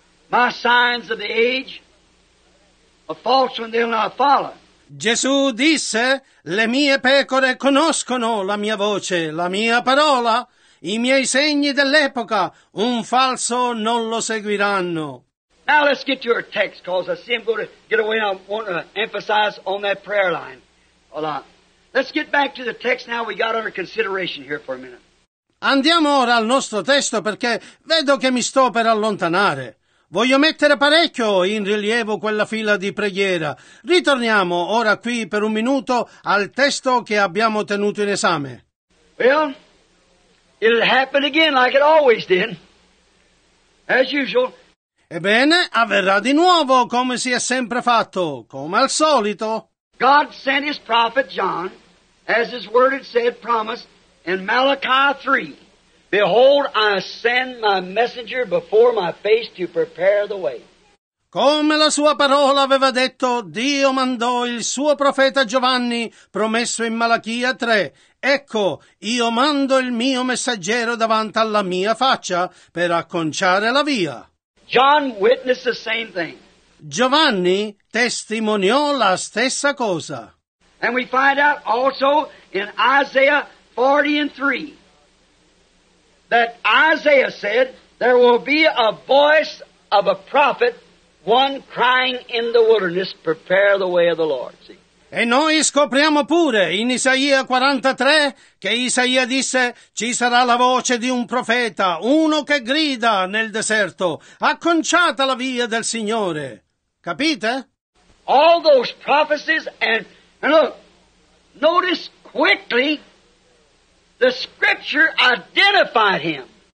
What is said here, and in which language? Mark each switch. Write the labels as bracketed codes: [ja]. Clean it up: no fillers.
[en] My signs of the age, a false one they'll not follow. [it] Gesù disse, le mie pecore conoscono la mia voce, la mia parola, i miei segni dell'epoca, un falso non lo seguiranno. [en] Now let's get to our text, because I see I'm going to get away and I want to emphasize on that prayer line a lot. Let's get back to the text now we got under consideration here for a minute. [it] Andiamo ora al nostro testo perché vedo che mi sto per allontanare. Voglio mettere parecchio in rilievo quella fila di preghiera. Ritorniamo ora qui per un minuto al testo che abbiamo tenuto in esame. [en] Well, it'll happen again like it always did. As usual. [it] Ebbene, avverrà di nuovo come si è sempre fatto, come al solito. [en] God sent his prophet John, as his word had said, promised, in Malachi 3. Behold, I send my messenger before my face to prepare the way. [it] Come la sua parola aveva detto, Dio mandò il suo profeta Giovanni, promesso in Malachia 3. Ecco, io mando il mio messaggero davanti alla mia faccia per acconciare la via. [en] John witnessed the same thing. [it] Giovanni testimoniò la stessa cosa. [en] And we find out also in Isaiah 40:3. That Isaiah said, there will be a voice of a prophet, one crying in the wilderness, prepare the way of the Lord. See? [it] E noi scopriamo pure in Isaia 43 che Isaia disse, ci sarà la voce di un profeta, uno che grida nel deserto, acconciata la via del Signore. Capite? [en] All those prophecies and look, notice quickly, the scripture identified him.